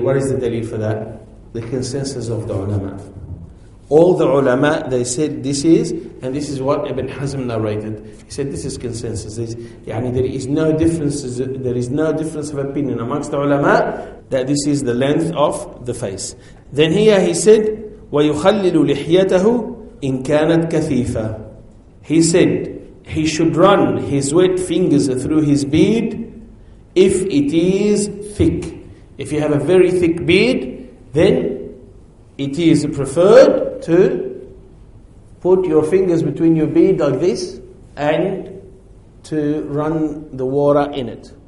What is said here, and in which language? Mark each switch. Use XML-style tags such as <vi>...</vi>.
<en>What is the dalil for that? The consensus of the ulama. All the ulama, they said this is, and this is what Ibn Hazm narrated. He said this is consensus. There is no difference of opinion amongst the ulama that this is the length of the face. Then here he said,</en> <ar>وَيُخَلِّلُ لِحْيَتَهُ إِن كَانَتْ كَثِيفًا.</ar> <en>He said he should run his wet fingers through his beard if it is thick. If you have a very thick beard, then it is preferred to put your fingers between your beard like this and to run the water in it.</en>